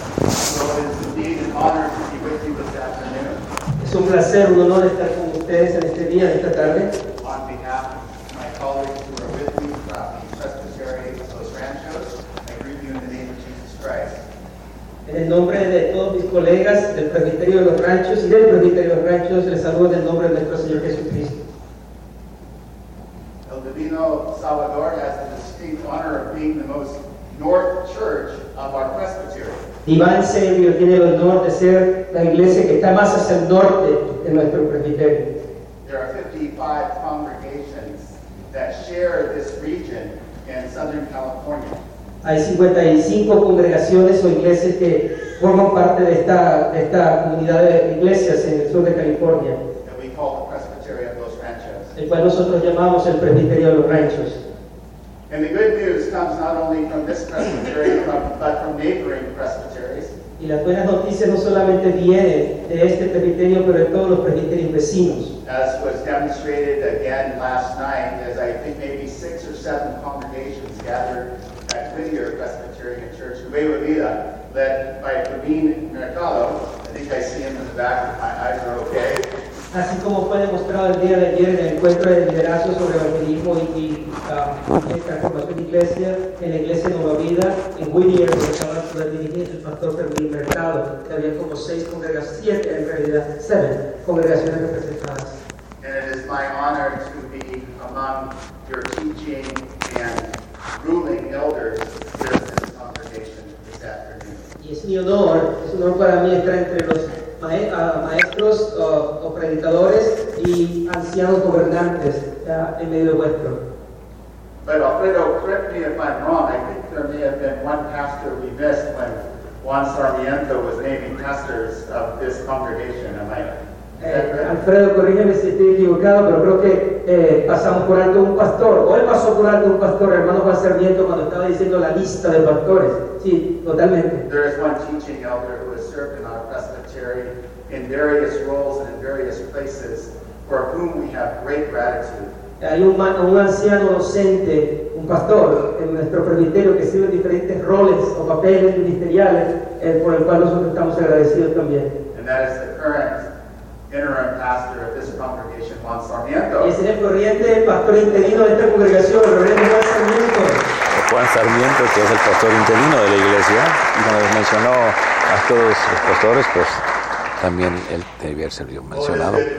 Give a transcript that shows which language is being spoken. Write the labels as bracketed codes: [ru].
[en] So it is indeed an honor to be with you this afternoon. [es] Es un placer, un honor estar con ustedes en este día, en esta tarde. [en] On behalf of my colleagues who are with me from the Presbytery of Los Ranchos, I greet you in the name of Jesus Christ. [es] En el nombre de todos mis colegas del Presbiterio de Los Ranchos y del Presbiterio de Los Ranchos, les saludo en el nombre de nuestro Señor Jesucristo. [en] El Divino Salvador has the distinct honor of being the most north church of our Presbytery. [es] Iván Sergio tiene el honor de ser la iglesia que está más hacia el norte de nuestro presbiterio. [en] There are 55 congregations that share this region in Southern California. [es] Hay 55 congregaciones o iglesias que forman parte de esta comunidad de iglesias en el sur de California. [en] That we call the Presbytery of Los Ranchos. [es] El cual nosotros llamamos el Presbiterio de Los Ranchos. [en] And the good news comes not only from this presbytery, but from neighboring presbyteries. [es] Y las buenas noticias no solamente vienen de este presbiterio, pero de todos los presbiterios vecinos. [en] As was demonstrated again last night, as I think maybe 6 or 7 congregations gathered at Whittier Presbyterian Church, Nueva Vida, led by Fabian Mercado. I think I see him in the back. My eyes are okay. [es] Así como fue demostrado el día de ayer en el encuentro de liderazgo sobre evangelismo y transformación de iglesia en la iglesia de Nueva Vida, en Whittier, donde estaba el dirigente, el pastor Fermín Mercado, que había como 6 congregaciones, 7 en realidad, 7 congregaciones representadas. [en] And it is my honor to be among your teaching and ruling elders here in this congregation this afternoon. [es] Y es un honor para mí estar entre los maestros o predicadores y ancianos gobernantes ya en medio de vuestro. [en] But Alfredo, correct me if I'm wrong, I think there may have been one pastor we missed when Juan Sarmiento was naming pastors of this congregation. Am I right? [es] Alfredo, corrígeme si estoy equivocado, pero creo que pasamos por alto un pastor, o él pasó por alto un pastor, hermano Juan Sarmiento, cuando estaba diciendo la lista de pastores. Sí, totalmente. [en] There is one teaching elder who has served in our presbytery in various roles and in various places for whom we have great gratitude. [es] Hay un anciano docente, un pastor en nuestro presbiterio que sirve en diferentes roles o papeles ministeriales por el cual nosotros estamos agradecidos también. [en] And that is the current interim pastor of this congregation, Juan Sarmiento. [es] Y es el corriente pastor interino de esta congregación, el reverendo Juan Sarmiento. Juan Sarmiento, que es el pastor interino de la iglesia, y como les mencionó a todos los pastores, pues también él debía haber sido mencionado.